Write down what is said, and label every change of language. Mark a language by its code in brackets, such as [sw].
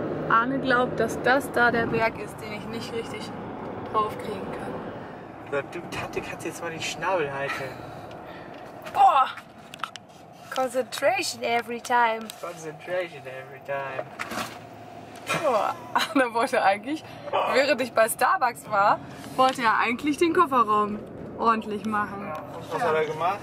[de] Arne glaubt, dass das da der Berg ist, den ich nicht richtig draufkriegen kann. So, du Tante, kannst jetzt mal den Schnabel halten. Boah! [en] Concentration every time. Concentration every time. [de] Boah, Arne wollte eigentlich, während ich bei Starbucks war, wollte er eigentlich den Kofferraum ordentlich machen. Ja, und was hat er gemacht?